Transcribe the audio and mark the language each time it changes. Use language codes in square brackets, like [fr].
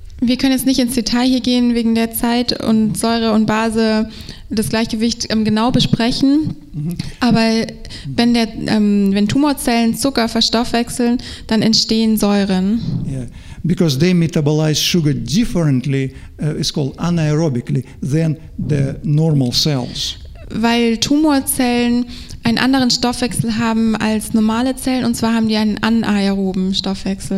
[de] Wir können jetzt nicht ins Detail hier gehen wegen der Zeit und Säure und Base das Gleichgewicht genau besprechen, aber wenn Tumorzellen Zucker verstoffwechseln, dann entstehen Säuren. [en] Yeah. Because they metabolize sugar differently, it's called anaerobically, than the normal cells. [de] Weil Tumorzellen einen anderen Stoffwechsel haben als normale Zellen, und zwar haben die einen anaeroben Stoffwechsel.